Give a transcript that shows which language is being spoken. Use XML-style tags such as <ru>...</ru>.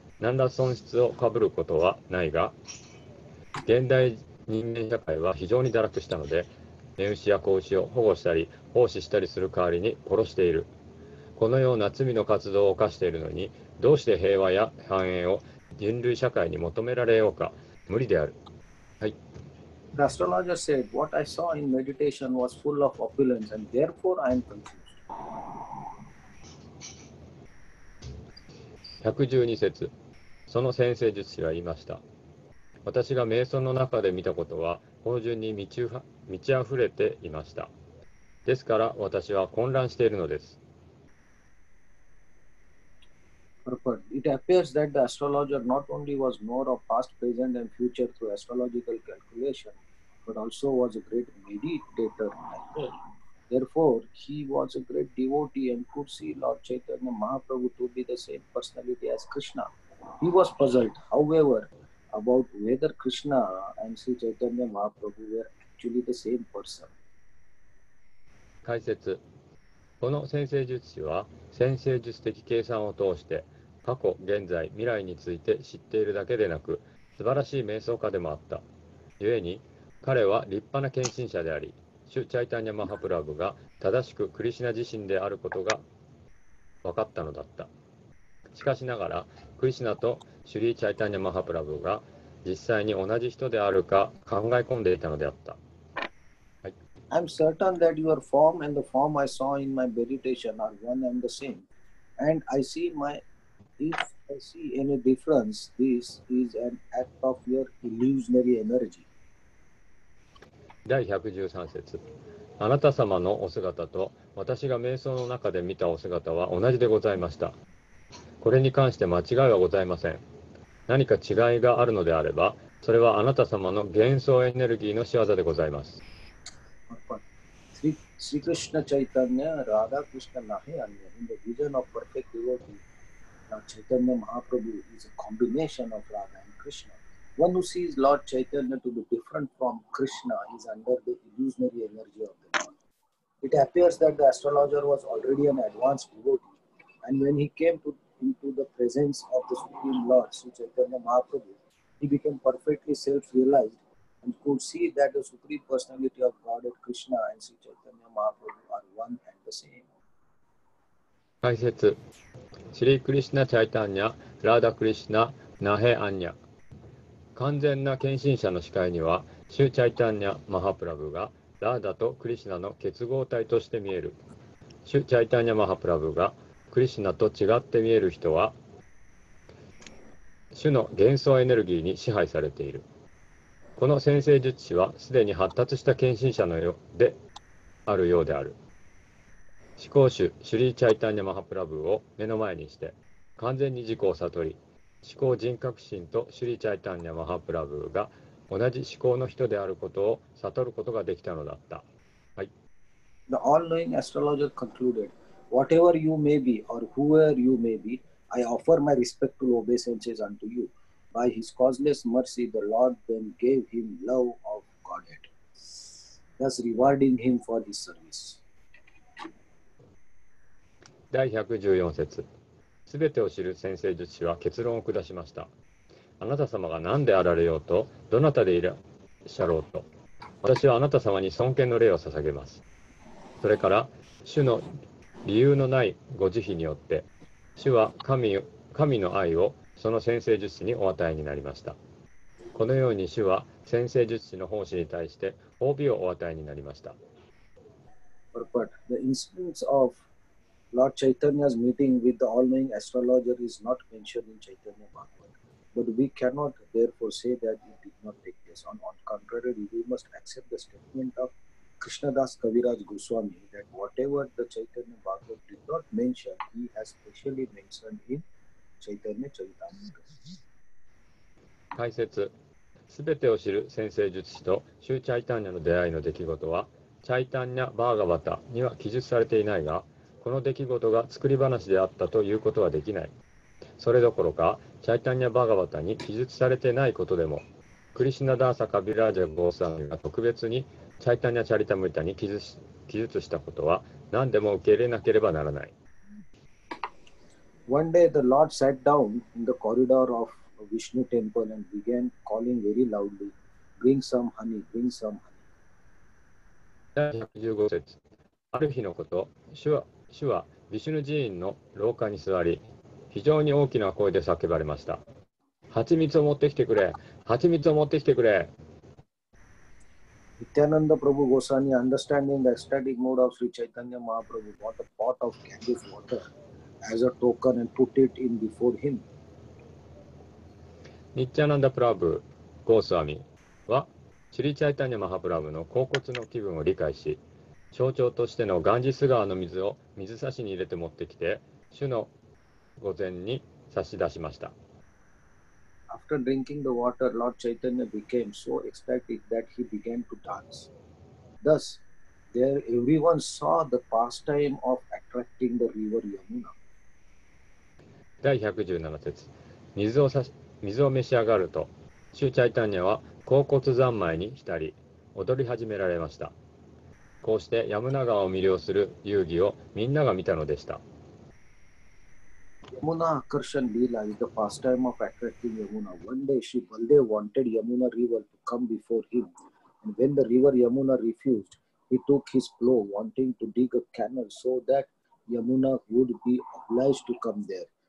<ja>何ら損失をかぶることはないが、現代人間社会は非常に堕落したので、ネウシや子牛を保護したり奉仕したりする代わりに殺している。このような罪の活動を犯しているのに、どうして平和や繁栄を人類社会に求められようか。無理である。はい。</ja> <en>The astrologer said, what I saw in meditation was full of opulence and therefore I am confused.</en> <ja>112節。その占星術師は言いました。私が瞑想の中で見たことは、芳醇に満ち溢れていました。ですから私は混乱しているのです。</ja> <en>It appears that the astrologer not only was more of past, present and future through astrological calculation, but also was a great meditator as well. Therefore, he was a great devotee and could see Lord Chaitanya Mahaprabhu to be the same personality as Krishna. He was puzzled, however, about whether Krishna and Sri Chaitanya Mahaprabhu were actually the same person.</en> <ja>解説。この占星術師は占星術的計算を通して過去、現在、未来について知っているだけでなく、素晴らしい瞑想家でもあった。故に、彼は立派な献身者であり、シュ・チャイタニャ・マハプラブが正しくクリシナ自身であることが分かったのだった。しかしながら、クリシナとシュリー・チャイタニャ・マハプラブが実際に同じ人であるか考え込んでいたのであった。はい、</ja> <en>I'm certain that your form and the form I saw in my meditation are one and the same, and I see myIf I see any difference, this is an act of your illusionary energy.</en> <ja>第113節。あなた様のお姿と私が瞑想の中で見たお姿は同じでございました。これに関して間違いはございません。何か違いがあるのであれば、それはあなた様の幻想エネルギーの仕業でございます。</ja> <en>Sri Krishna Chaitanya Radha Krishna Nahayanya in the vision of perfect devotee. Lord Chaitanya Mahaprabhu is a combination of Radha and Krishna. One who sees Lord Chaitanya to be different from Krishna is under the illusionary energy of the Lord. It appears that the astrologer was already an advanced devotee, and when he came into the presence of the Supreme Lord, Sri Chaitanya Mahaprabhu, he became perfectly self-realized and could see that the Supreme Personality of Godhead Krishna and Sri Chaitanya Mahaprabhu are one and the same.</en> <ja>解説。シリー・クリシナ・チャイタンニャ・ラーダ・クリシナ・ナヘ・アンニャ。完全な献身者の視界には、シュ・チャイタンニャ・マハプラブがラーダとクリシナの結合体として見える。シュ・チャイタンニャ・マハプラブがクリシナと違って見える人は、シュの幻想エネルギーに支配されている。この占星術師はすでに発達した献身者のようであるようである。思考主シュリー・チャイタンニャ・マハプラブを目の前にして、完全に自己を悟り、思考人格心とシュリー・チャイタンニャ・マハプラブが同じ思考の人であることを悟ることができたのだった。はい。</ja> <en>The all-knowing astrologer concluded, whatever you may be or whoever you may be, I offer my respectful obeisances unto you. By his causeless mercy, the Lord then gave him love of Godhead, thus rewarding him for his service.</en> <ja>第114節。すべてを知る占星術師は結論を下しました。あなた様が何であられようと、どなたでいらっしゃろうと、私はあなた様に尊敬の礼を捧げます。それから、主の理由のないご慈悲によって、主は 神の愛をその占星術師にお与えになりました。このように主は占星術師の奉仕に対して褒美をお与えになりました。</ja> <en>The instance ofLord Chaitanya's meeting with the all-knowing astrologer is not mentioned in Chaitanya Bhagavata, but we cannot therefore say that it did not take place. On the contrary, we must accept the statement of Krishnadas Kaviraj Goswami that whatever the Chaitanya Bhagavata did not mention, he has specially mentioned in Chaitanya Charitamrita.</en> <ja>解説。すべてを知る占星術師とシュ・チャイタンニャの出会いの出来事は、チャイタンニャ・バーガバタには記述されていないが、この出来事が作り話であったということはできない。それどころか、チャイタンニャ・バガバタに記述されてないことでも、クリシナ・ダーサ・カビラージャ・ゴーサンが特別にチャイタンニャ・チャリタムリタに記述したことは、何でも受け入れなければならない。</ja> <en>one day the Lord sat down in the corridor of Vishnu temple and began calling very loudly, bring some honey, bring some honey.</en> <ja>115節。ある日のこと、主はヴィシュヌ寺院の廊下に座り、非常に大きな声で叫ばれました。蜂蜜を持ってきてくれ、蜂蜜を持ってきてくれ。</ja> <en>Nityananda Prabhu Goswami, understanding the ecstatic mood of Sri Chaitanya Mahaprabhu, bought a pot of candied water as a token and put it in before him.</en> <ja>Nityananda Prabhu Goswami は、Sri Chaitanya Mahaprabhu の恍惚の気分を理解し、象徴としてのガンジス川の水を水差しに入れて持ってきて、主の御前に差し出しました。</ja> <en>After drinking the water, Lord Chaitanya became so ecstatic that he began to dance. Thus, there everyone saw the pastime of attracting the river Yamuna.</en> <ja>第117節。水を召し上がると、主チャイタニアは恍惚三昧に浸り、踊り始められました。こうしてヤムナ川を魅了する遊戯をみんなが見たのでした。</ja> <en>Yamuna Akarshan Leela is the pastime of attracting Yamuna. One day Shri Baldev wanted Yamuna River to come before him. And when the river Yamuna refused, he took his plow wanting to dig a canal so that Yamuna would be obliged to come there.</en>